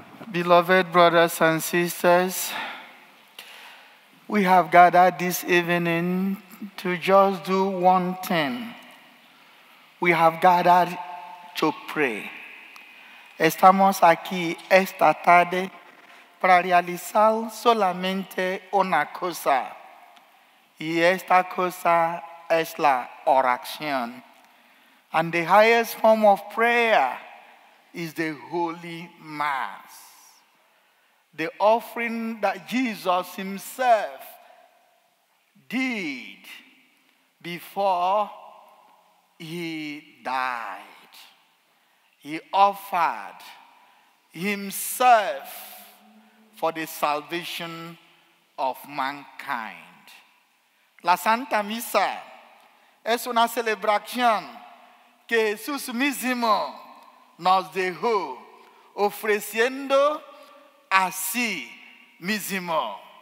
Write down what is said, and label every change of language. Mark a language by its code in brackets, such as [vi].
[en] Beloved brothers and sisters, we have gathered this evening to just do one thing. We have gathered to pray. [es] Estamos aquí esta tarde para realizar solamente una cosa. Y esta cosa es la oración. [en] And the highest form of prayer is the Holy Mass. The offering that Jesus himself did before he died. He offered himself for the salvation of mankind. [es] La Santa Misa es una celebración que Jesús mismo nos dejó ofreciendo así mismo.